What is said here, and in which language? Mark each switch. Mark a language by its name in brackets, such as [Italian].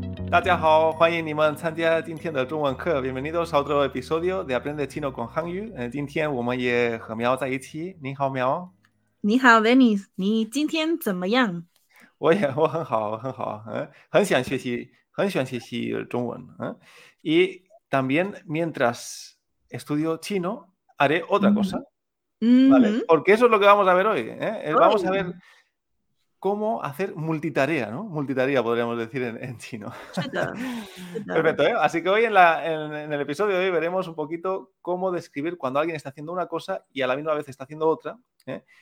[Chinese] 大家好，欢迎你们参加今天的中文课。 [Spanish] Bienvenidos a otro episodio de Aprende Chino con Hanyu。 [Chinese] 今天我们也和苗在一起。你好，苗。你好 ，Venice。你今天怎么样？我很好，很好。很想学习，很想学习中文。 [Spanish] Y también mientras estudio chino, haré otra cosa. Vale, porque eso es lo que vamos a ver hoy. Vamos a ver. Cómo hacer multitarea, ¿no? Multitarea podríamos decir en chino. Perfecto, ¿eh? Así que hoy en el episodio de hoy veremos un poquito cómo describir cuando alguien está haciendo una cosa y a la misma vez está haciendo otra, ¿eh?